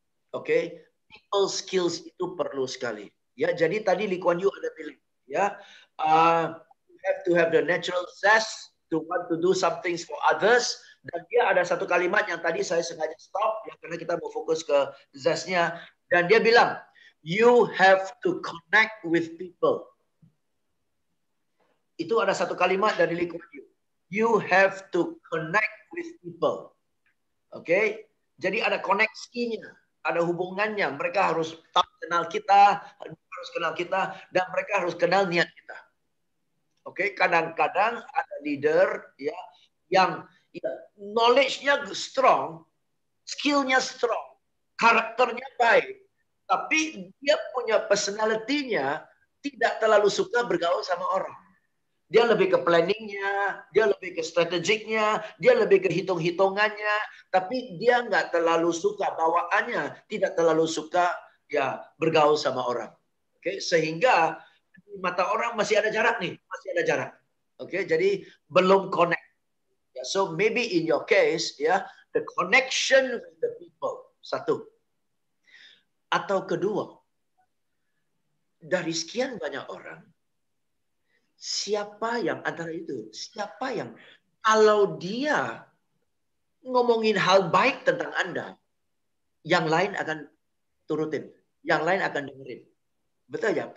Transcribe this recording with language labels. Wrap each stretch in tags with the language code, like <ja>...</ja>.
<en>Oke, okay? People skills</en> <id>itu perlu sekali. Ya, jadi tadi</id> <en>Lee Kuan Yew</en> <id>ada bilang, ya,</id> <en>you have to have the natural zest to want to do some things for others.</en> <id>Dan dia ada satu kalimat yang tadi saya sengaja stop, ya, karena kita mau fokus ke zest-nya. Dan dia bilang,</id> <en>you have to connect with people.</en> <id>Itu ada satu kalimat dari Lee Kuan Yew.</id> <en>You have to connect with people.</en> <id>Okay? Jadi ada koneksinya, ada hubungannya. Mereka harus tahu kenal kita, harus kenal kita, dan mereka harus kenal niat kita. Okay? Kadang-kadang ada leader ya yang knowledge-nya strong, skill-nya strong, karakternya baik, tapi dia punya personality-nya tidak terlalu suka bergaul sama orang. Dia lebih ke planning-nya, dia lebih ke strategik-nya, dia lebih ke hitung-hitungannya, tapi dia nggak terlalu suka, bawaannya tidak terlalu suka ya bergaul sama orang. Oke, okay? Sehingga di mata orang masih ada jarak nih, masih ada jarak. Oke, okay? Jadi belum connect.</id> <en>Yeah, so maybe in your case, ya, yeah, the connection with the people satu.</en> <id>Atau kedua, dari sekian banyak orang, siapa yang antara itu? Siapa yang kalau dia ngomongin hal baik tentang Anda, yang lain akan turutin, yang lain akan dengerin. Betul ya?</id>